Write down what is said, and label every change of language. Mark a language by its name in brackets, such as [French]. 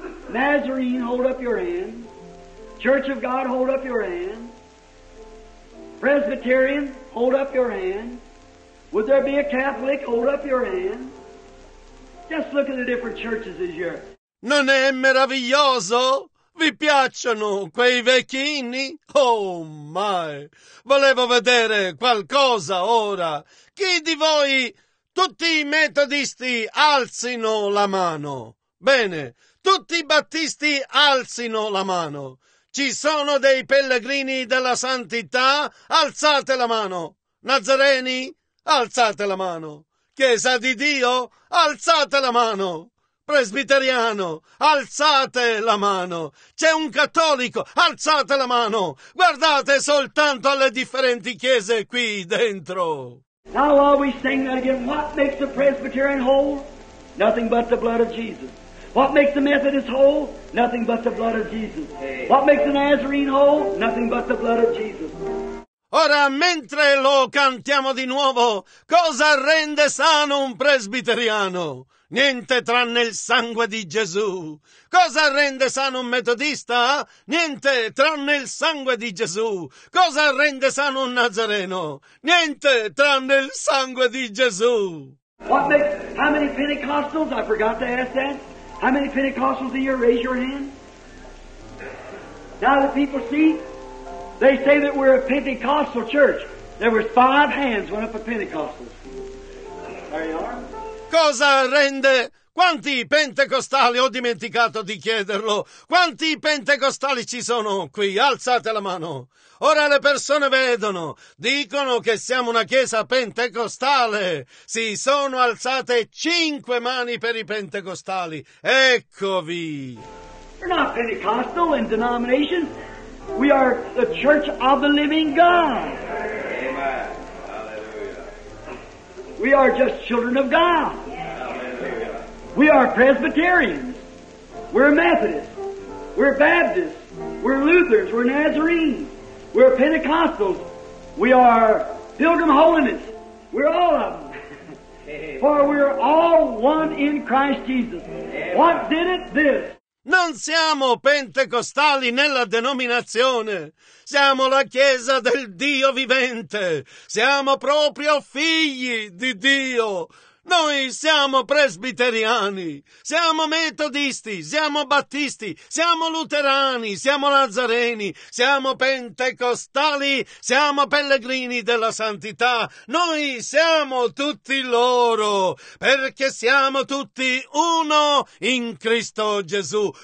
[English] Nazarene, hold up your hand. Church of God, hold up your hand. Presbyterian, hold up your hand. Would there be a Catholic? Hold up your hand. Just look at the different churches this year. [Italian] Non è meraviglioso? Vi piacciono quei vecchi inni? [English] Oh my! [Italian] Volevo vedere qualcosa ora. Chi di voi, tutti i metodisti, alzino la mano? Bene, tutti i battisti alzino la mano. Ci sono dei pellegrini della santità? Alzate la mano. Nazareni, alzate la mano. Chiesa di Dio, alzate la mano. Presbiteriano, alzate la mano. C'è un cattolico, alzate la mano. Guardate soltanto alle differenti chiese qui dentro. [English] Now I'll always sing that again. What makes the Presbyterian whole? Nothing but the blood of Jesus. What makes the Methodist whole? Nothing but the blood of Jesus. What makes the Nazarene whole? Nothing but the blood of Jesus. [Italian] Ora, mentre lo cantiamo di nuovo, cosa rende sano un presbiteriano? Niente tranne il sangue di Gesù. Cosa rende sano un metodista? Niente tranne il sangue di Gesù. Cosa rende sano un nazareno? Niente tranne il sangue di Gesù. [English] How many Pentecostals? I forgot to ask that. How many Pentecostals do you raise your hand? Now the people see... They say that we're a Pentecostal church. There were five hands went up a Pentecostal. There you are. [Italian] Cosa rende? Quanti pentecostali? Ho dimenticato di chiederlo. Quanti pentecostali ci sono qui? Alzate la mano. Ora le persone vedono, dicono che siamo una chiesa pentecostale. Si sono alzate cinque mani per i pentecostali. Eccovi. [English] We're not Pentecostal in denomination. We are the church of the living God. Amen. Hallelujah. We are just children of God. Hallelujah. We are Presbyterians. We're Methodists. We're Baptists. We're Lutherans. We're Nazarenes. We're Pentecostals. We are Pilgrim Holiness. We're all of them. For we're all one in Christ Jesus. Amen. What did it? This. [Italian] Non siamo pentecostali nella denominazione, siamo la chiesa del Dio vivente, siamo proprio figli di Dio, noi siamo presbiteriani, siamo metodisti, siamo battisti, siamo luterani, siamo nazareni, siamo pentecostali, siamo pellegrini della santità, noi siamo tutti loro, perché siamo tutti uno in Cristo Gesù.